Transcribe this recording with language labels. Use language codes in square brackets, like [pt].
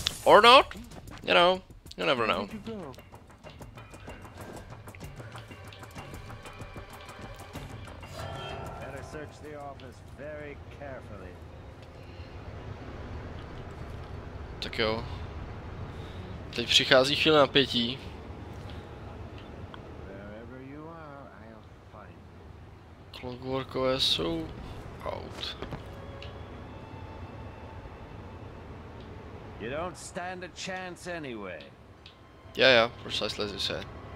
[en] Or not? You know, you never know. Search the office very carefully. [cs] Tak jo. Teď přichází chvíle napětí. [en] Wherever you are, I'll find you. [cs] Clockworkové jsou out. [en] You don't stand a chance anyway. Yeah, precisely as you said.